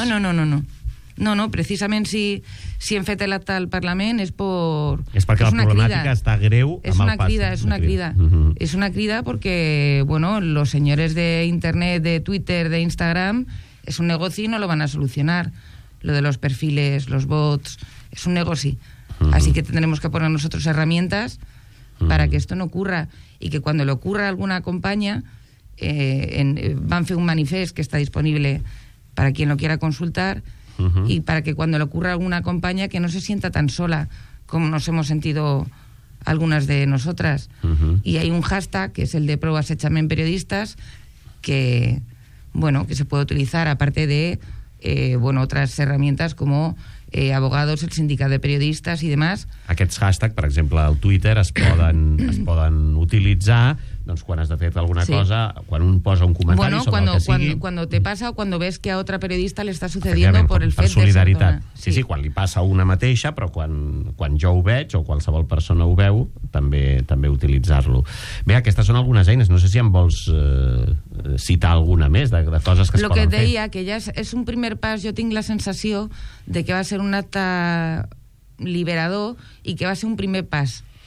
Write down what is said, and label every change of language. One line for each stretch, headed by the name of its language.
Catalan: No. No, precisament si hem fet l'acte al Parlament és per... És perquè la problemàtica està greu. És una crida, és una crida. És una crida perquè, bueno,
Spanish: los señores de internet, de Twitter, de Instagram,
Catalan: és un negoci i
Spanish: no lo van a solucionar. Lo de los perfiles, los bots,
Catalan: és un negoci.
Spanish: Uh-huh. Así que tendremos que poner nosotros herramientas para que esto no ocurra. Y que cuando le ocurra a alguna compañía,
Catalan: van fer un manifest
Spanish: que está disponible para quien lo quiera consultar. Uh-huh. Y para que cuando le ocurra alguna compañía que no se sienta tan sola como nos hemos sentido algunas de nosotras. Uh-huh. Y hay un hashtag que es el de pruebas echamen periodistas que, bueno, que se puede utilizar aparte de bueno, otras herramientas como abogados, el sindicat de periodistas y demás.
Catalan: Aquests hashtag, per exemple, al Twitter es poden utilitzar, doncs, quan has de fer alguna cosa, quan un posa un comentari,
Spanish: bueno,
Catalan: sobre el que sigui.
Spanish: Cuando te pasa o cuando ves que a otra periodista le está sucediendo por
Catalan: el fet de solidaritat. Sí, sí, quan li passa a una mateixa, però quan jo ho veig o qualsevol persona ho veu, també utilitzar-lo. Bé, aquestes són algunes eines. No sé si em vols citar alguna més de coses que lo fer. Lo que deia, fer. Que ja és un primer pas, jo tinc la sensació de que va ser un acte liberador i que va ser un primer pas.